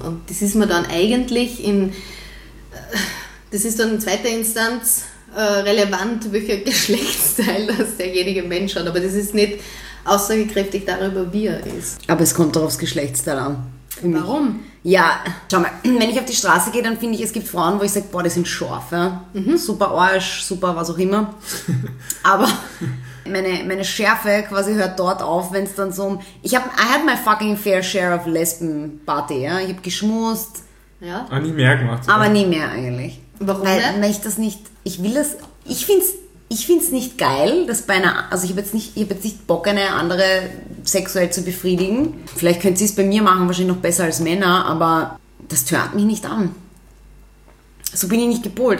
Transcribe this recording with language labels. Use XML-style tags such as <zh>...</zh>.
<de>Und das ist mir dann eigentlich in zweiter Instanz relevant, welcher Geschlechtsteil das derjenige Mensch hat. Aber das ist nicht aussagekräftig darüber, wie er ist. Aber es kommt doch aufs Geschlechtsteil an. Warum? Ja, schau mal, wenn ich auf die Straße gehe, dann finde ich, es gibt Frauen, wo ich sage, boah, die sind scharf. Ja? Mhm. Super Arsch, super was auch immer. Aber meine Schärfe quasi hört dort auf, wenn es dann so um...</de> <en>I had my fucking fair share of Lesben-Party.</en> <de>Ja? Ich habe geschmust. Ja. Aber nie mehr gemacht. Aber nie mehr eigentlich. Warum? Weil ich das nicht... Ich will das... Ich find's nicht geil, dass bei einer, also ich hab jetzt nicht Bock, eine andere sexuell zu befriedigen. Vielleicht könnt sie es bei mir machen, wahrscheinlich noch besser als Männer, aber das tört mich nicht an. So bin ich nicht gepolt.</de>